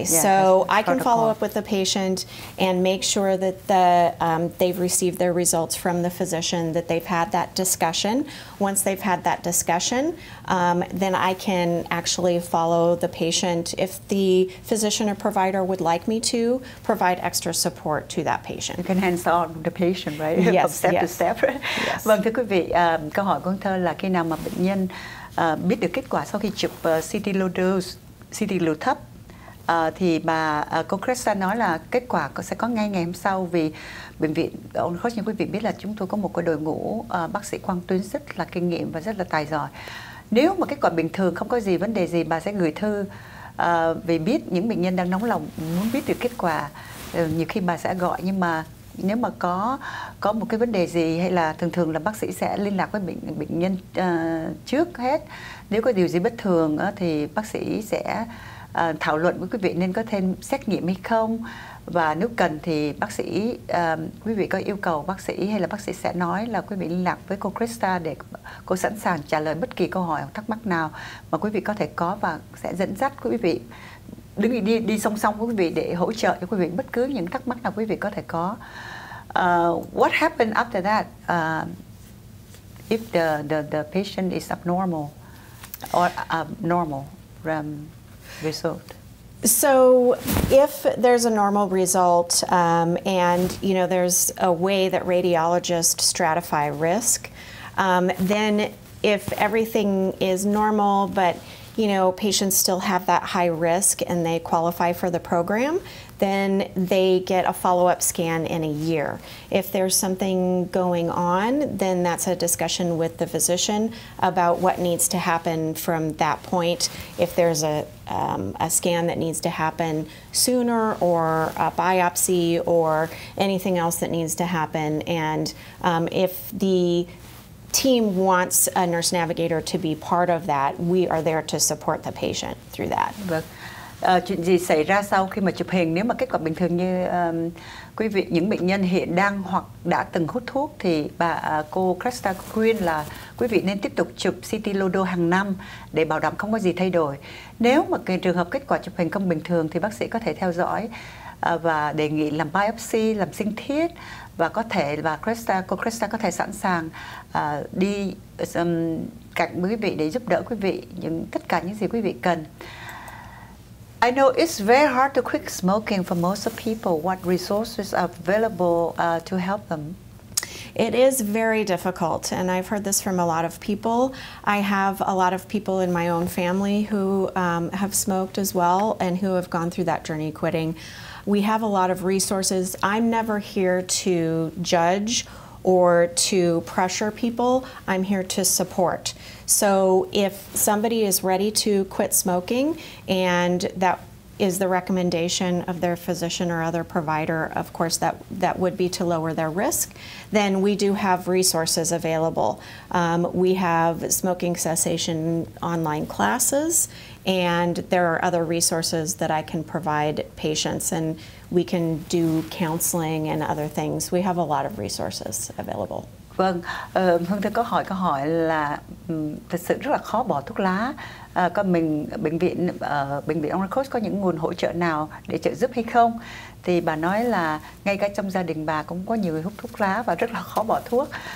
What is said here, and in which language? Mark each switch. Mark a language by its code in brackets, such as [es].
[en] Yeah, so I can follow up with the patient and make sure that they've received their results from the physician, that they've had that discussion. Once they've had that discussion, then I can actually follow the patient if the physician or provider would like me to provide extra support to that patient. You can hands on the patient, right? Yes, from step yes. to step. Yes. [vi] Vâng, thưa quý vị, câu hỏi của Thơ là khi nào mà bệnh nhân biết được kết quả sau khi chụp CT low dose, CT liều thấp, Thì bà cô Krista nói là kết quả sẽ có ngay ngày hôm sau, vì bệnh viện Orange Coast, như quý vị biết là chúng tôi có một cái đội ngũ bác sĩ quang tuyến rất là kinh nghiệm và rất là tài giỏi. Nếu mà kết quả bình thường, không có gì vấn đề gì, bà sẽ gửi thư vì biết những bệnh nhân đang nóng lòng muốn biết được kết quả. Nhiều khi bà sẽ gọi, nhưng mà nếu mà có một cái vấn đề gì, hay là thường thường là bác sĩ sẽ liên lạc với bệnh nhân trước hết. Nếu có điều gì bất thường thì bác sĩ sẽ thảo luận với quý vị nên có thêm xét nghiệm hay không. Và nếu cần thì bác sĩ, quý vị có yêu cầu bác sĩ hay là bác sĩ sẽ nói là quý vị liên lạc với cô Krista để cô sẵn sàng trả lời bất kỳ câu hỏi hoặc thắc mắc nào mà quý vị có thể có, và sẽ dẫn dắt quý vị đứng đi song song với quý vị để hỗ trợ cho quý vị bất cứ những thắc mắc nào quý vị có thể có. [en] What happened after that if the patient is abnormal or abnormal result? So if there's a normal result, and you know there's a way that radiologists stratify risk, then if everything is normal but you know patients still have that high risk and they qualify for the program, then they get a follow-up scan in a year. If there's something going on, then that's a discussion with the physician about what needs to happen from that point. If there's a scan that needs to happen sooner, or a biopsy, or anything else that needs to happen, and if the team wants a nurse navigator to be part of that, we are there to support the patient through that. [vi] Vâng. Chuyện gì xảy ra sau khi mà chụp hình, nếu mà kết quả bình thường như quý vị, những bệnh nhân hiện đang hoặc đã từng hút thuốc, thì bà cô Krista khuyên là quý vị nên tiếp tục chụp CT Lodo hàng năm để bảo đảm không có gì thay đổi. Nếu mà trường hợp kết quả chụp hình không bình thường thì bác sĩ có thể theo dõi và đề nghị làm biopsy, làm sinh thiết, và có thể và cô Krista có thể sẵn sàng đi cạnh quý vị để giúp đỡ quý vị những tất cả những gì quý vị cần. [en] I know it's very hard to quit smoking for most of people. What resources are available to help them? It is very difficult, and I've heard this from a lot of people. I have a lot of people in my own family who have smoked as well and who have gone through that journey quitting. We have a lot of resources. I'm never here to judge or to pressure people. I'm here to support. So if somebody is ready to quit smoking and that is the recommendation of their physician or other provider, of course that would be to lower their risk, then we do have resources available. We have smoking cessation online classes, and there are other resources that I can provide patients, and we can do counseling and other things. We have a lot of resources available. [vi] Vâng, Hương thưa câu hỏi là thật sự rất là khó bỏ thuốc lá. Có mình bệnh viện Orange Coast có những nguồn hỗ trợ nào để trợ giúp hay không? Thì bà nói là ngay cả trong gia đình bà cũng có nhiều người hút thuốc lá và rất là khó bỏ thuốc.